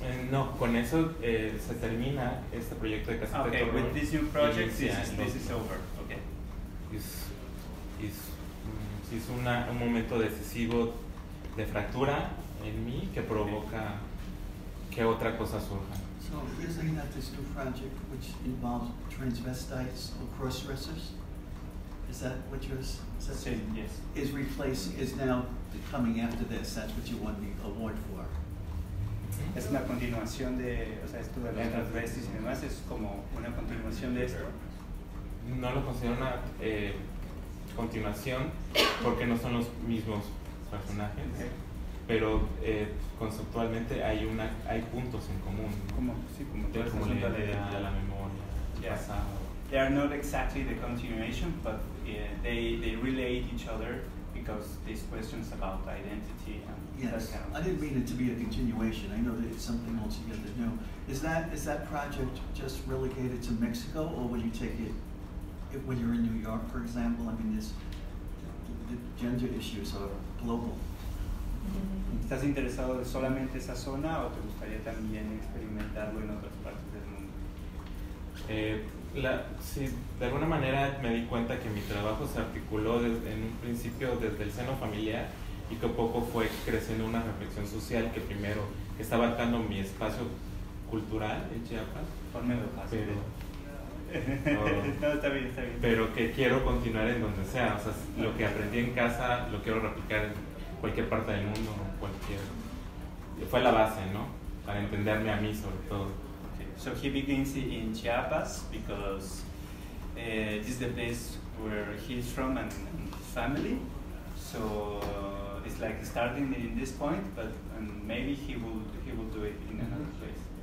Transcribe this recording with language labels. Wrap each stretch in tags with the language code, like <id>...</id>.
<es>No, con eso se termina este proyecto de Casita</es> <en>okay,</en> <es>de Turrón.</es> <en>With this new project, this is over. Okay.</en> <es>Es un momento decisivo de fractura en mí que provoca que otra cosa surja.</es> <en>So here's looking at this new project, which involves transvestites or cross-dressers. Is that what you're saying?</en> <es>Sí, yes.</es> <en>Is now coming after this. That's what you won the award for.</en> <es>Es una continuación de, o sea, esto de los transvestites y demás, es como una continuación de esto. No lo considero una continuación, porque no son los mismos personajes,</es> <en>okay.</en> <es>Pero conceptualmente hay puntos en común. ¿Cómo? Sí, como de la idea, de la memoria, el</es> <en>yeah.</en> <es>pasado.</es> <en>They are not exactly the continuation, but they relate each other because these questions about identity and yes. that kind of I didn't mean it to be a continuation. I know that it's something altogether new. Is that project just relegated to Mexico, or will you take it when you're in New York, for example? I mean, this the gender issues are global.</en> <es>¿Estás interesado solamente esa zona o te gustaría también experimentarlo en otras partes del mundo? Sí, de alguna manera me di cuenta que mi trabajo se articuló en un principio desde el seno familiar, y que poco fue creciendo una reflexión social que primero está abarcando mi espacio cultural en Chiapas. Ponmelo fácil. Pero, no, está bien. Pero que quiero continuar en donde sea. O sea, lo que aprendí en casa lo quiero replicar en cualquier parte del mundo, cualquier. Fue la base, ¿no? Para entenderme a mí, sobre todo.</es> <en>So he begins in Chiapas because this is the place where he's from and his family. So it's like starting in this point, but maybe he will do it in another place.</en>